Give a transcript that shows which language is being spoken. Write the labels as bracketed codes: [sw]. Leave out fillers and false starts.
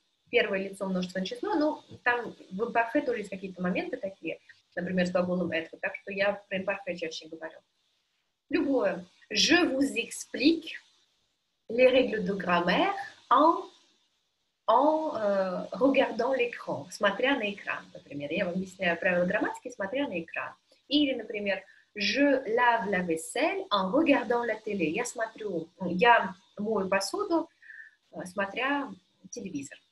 [ru] Первое лицо множественное число, но там в «импарфе» тоже есть какие-то моменты такие. Например, с глаголом этого, так что я про импарфе чаще говорю. Любое. [fr] Je vous explique les règles de grammaire en regardant l'écran, [ru] смотря на экран, например. Я вам объясняю правила грамматики, смотря на экран. Или, например, [fr] je lave la vaisselle en regardant la télé. [ru] Я мою посуду, смотря телевизор.